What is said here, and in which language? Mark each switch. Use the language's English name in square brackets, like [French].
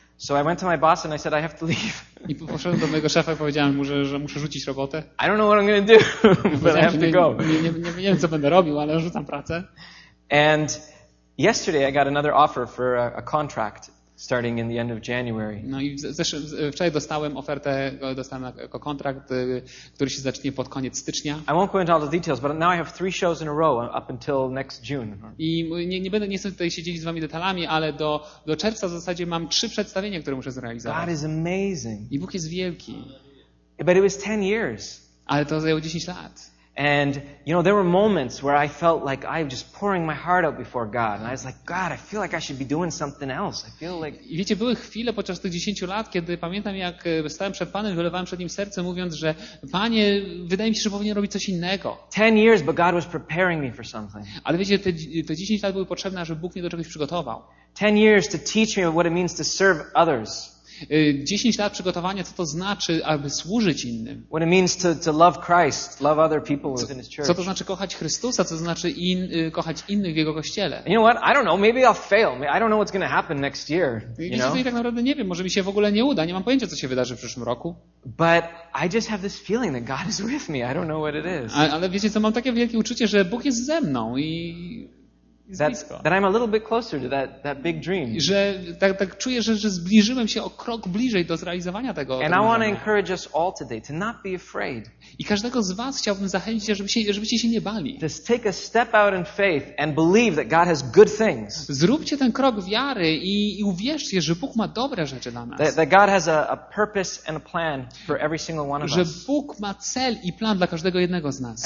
[English] So I went to my boss and I said I have to leave. [Polish] I poszedłem do mojego szefa i powiedziałem mu, że muszę rzucić robotę. [English] I don't know what I'm going to do, but I have to go. [Polish] Nie wiem, co będę robił, ale rzucam pracę. [English] And yesterday I got another offer for a contract starting in the end of January. [Polish] No i wczoraj dostałem jako kontrakt, który się zacznie pod koniec stycznia. [English] I won't go into all the details, but now I have 3 shows in a row up until next June. [Polish] I nie chcę tutaj się dzielić z wami detalami, ale do czerwca w zasadzie mam 3 przedstawienia, które muszę zrealizować. [English] God is amazing. [Polish] I Bóg jest wielki. [English] But it was 10 years. [Polish] Ale to zajęło 10 lat. [English] And you know there were moments where I felt like I'm just pouring my heart out before God and I was like God I feel like I should be doing something else. I feel like [Polish] I wiecie, były chwile podczas tych 10 lat, kiedy pamiętam, jak stałem przed Panem, wylewałem przed nim serce, mówiąc, że Panie, wydaje mi się, że powinien robić coś innego. [English] 10 years but God was preparing me for something. [Polish] Ale wiecie, te 10 lat były potrzebne, żeby Bóg mnie do czegoś przygotował. [English] 10 years to teach me what it means to serve others. [Polish] 10 lat przygotowania, co to znaczy, aby służyć innym. [English] What it means to love Christ, love other people within his church. [Polish] Co to znaczy kochać Chrystusa, co to znaczy kochać innych w jego kościele. [English] You know what? I don't know. Maybe I'll fail. I don't know what's going to happen next year. [Polish] Wiecie, tak naprawdę nie wiem. Może mi się w ogóle nie uda. Nie mam pojęcia, co się wydarzy w przyszłym roku. [English] But I just have this feeling that God is with me. I don't know what it is. [Polish] Ale wiecie, co mam takie wielkie uczucie, że Bóg jest ze mną i [English] That I'm a little bit closer to that big dream. [Polish] Że tak czuję, że zbliżyłem się o krok bliżej do zrealizowania tego. [English] And I want to encourage us all today to not be afraid. [Polish] I każdego z was chciałbym zachęcić, żebyście się nie bali. [English] Just take a step out in faith and believe that God has good things. [Polish] Zróbcie ten krok wiary i uwierzcie, że Bóg ma dobre rzeczy dla nas. [English] That God has a purpose and a plan for every single one of us. [Polish] Że Bóg ma cel i plan dla każdego jednego z nas.